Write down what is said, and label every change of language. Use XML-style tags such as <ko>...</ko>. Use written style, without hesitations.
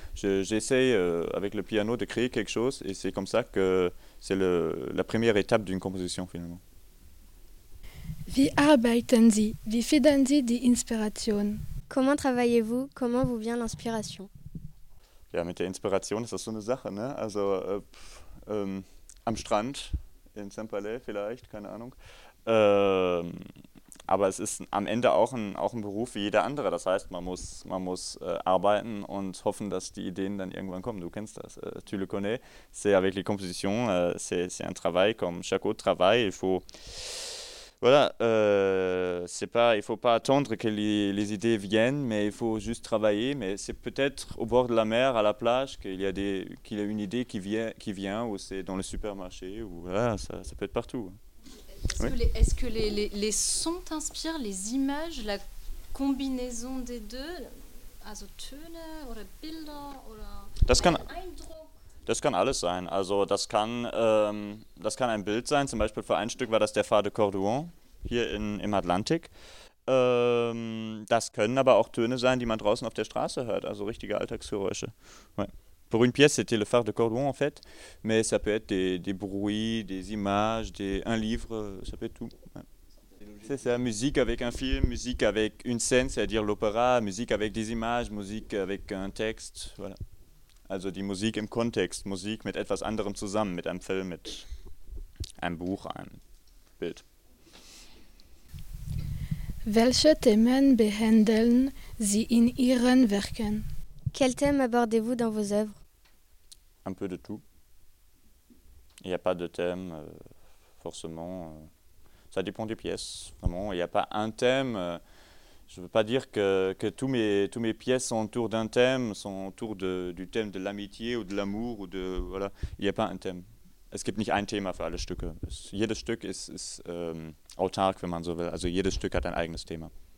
<fr>J'essaye avec le piano de créer quelque chose et c'est comme ça que c'est la première étape d'une composition finalement.</fr> <de>Wie arbeiten Sie? Wie finden Sie die Inspiration?</de> <fr>Comment travaillez-vous? Comment vous vient l'inspiration?</fr> <de>Ja, mit der Inspiration ist das so eine Sache, ne? Also am Strand in Saint-Palais vielleicht, keine Ahnung. Aber es ist am Ende auch ein Beruf wie jeder andere. Das heißt, man muss arbeiten und hoffen, dass die Ideen dann irgendwann kommen. Du kennst das.</de> <fr>Tu le connais. C'est avec les compositions. C'est un travail comme chaque autre travail. Il faut voilà. C'est pas. Il faut pas attendre que les idées viennent, mais il faut juste travailler. Mais c'est peut-être au bord de la mer, à la plage, qu'il y a une idée qui vient, ou c'est dans le supermarché, ou voilà. Ça peut être partout. Est-ce que les sons t'inspirent, les images, la combinaison des deux,</fr> <de>also Töne oder Bilder oder das kann, das kann alles sein. Also das kann ein Bild sein. Zum Beispiel für ein Stück war das der Fade Cordouan hier im Atlantik. Das können aber auch Töne sein, die man draußen auf der Straße hört. Also richtige Alltagsgeräusche.</de> <fr>Ouais. Pour une pièce, c'était le phare de Cordouan, en fait, mais ça peut être des bruits, des images, un livre, ça peut être tout. Ouais. C'est la musique avec un film, musique avec une scène, c'est-à-dire l'opéra, musique avec des images, musique avec un texte, voilà.</fr> <de>Also die Musik im Kontext, Musik mit etwas anderem zusammen, mit einem Film, mit einem Buch, einem Bild. Welche Themen behandeln Sie in Ihren Werken?</de> <fr>Quel thème abordez-vous dans vos œuvres? Un peu de tout. Il n'y a pas de thème, forcément. Ça dépend des pièces, vraiment. Il n'y a pas un thème. Je ne veux pas dire que tous mes pièces sont autour d'un thème, sont autour du thème de l'amitié ou de l'amour. Ou de, voilà. Il n'y a pas un thème.</fr> <de>Es gibt nicht ein Thema für alle Stücke. Jedes Stück ist autark, wenn man so will. Also jedes Stück hat ein eigenes Thema.</de>